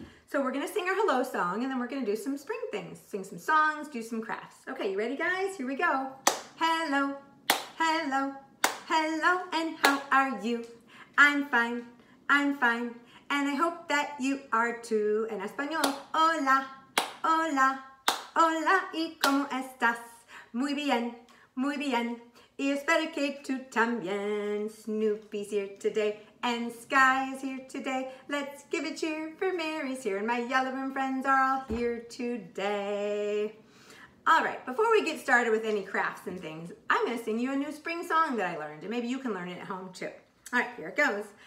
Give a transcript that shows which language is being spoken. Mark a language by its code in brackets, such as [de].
[en] So we're gonna sing our hello song and then we're gonna do some spring things. Sing some songs, do some crafts. Okay, you ready guys? Here we go. Hello, hello, hello, and how are you? I'm fine, and I hope that you are too. [es] En español, hola, hola, hola, y cómo estás? Muy bien, y espero que tú también. [en] Snoopy's here today, and Skye is here today. Let's give a cheer for Mary's here, and my Yellow Room friends are all here today. All right, before we get started with any crafts and things, I'm gonna sing you a new spring song that I learned, and maybe you can learn it at home too. All right, here it goes.